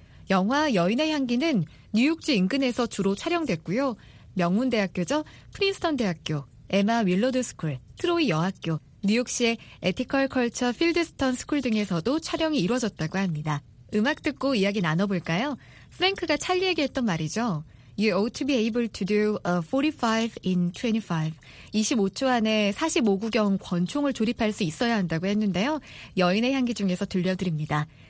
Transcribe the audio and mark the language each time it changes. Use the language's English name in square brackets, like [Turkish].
[Korean] 영화 여인의 향기는 뉴욕주 인근에서 주로 촬영됐고요. 명문대학교죠. 프린스턴 대학교, 에마 윌러드 스쿨, 트로이 여학교, 뉴욕시의 에티컬 컬처 필드스턴 스쿨 등에서도 촬영이 이루어졌다고 합니다. 음악 듣고 이야기 나눠볼까요? 프랭크가 찰리에게 했던 말이죠. [English] You ought to be able to do a 45 in 25. [Korean] 25초 안에 45구경 권총을 조립할 수 있어야 한다고 했는데요. 여인의 향기 중에서 들려드립니다.